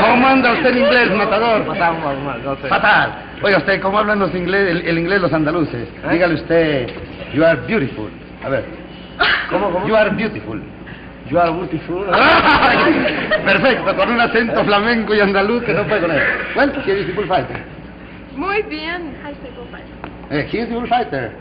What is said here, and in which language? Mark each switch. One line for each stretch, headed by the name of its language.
Spanish: ¿Cómo anda usted en inglés, matador? Fatal. Oiga usted, ¿cómo hablan los inglés, el inglés los andaluces? ¿Eh? Dígale usted,
English: you are beautiful.
Spanish: A ver. ¿Cómo?
English: You are beautiful. You are beautiful.
Spanish: Perfecto, con un acento flamenco y andaluz que no puede con él. Bueno, ¿quién es el bullfighter? Muy bien, ¿cómo estás? ¿Quién es el bullfighter?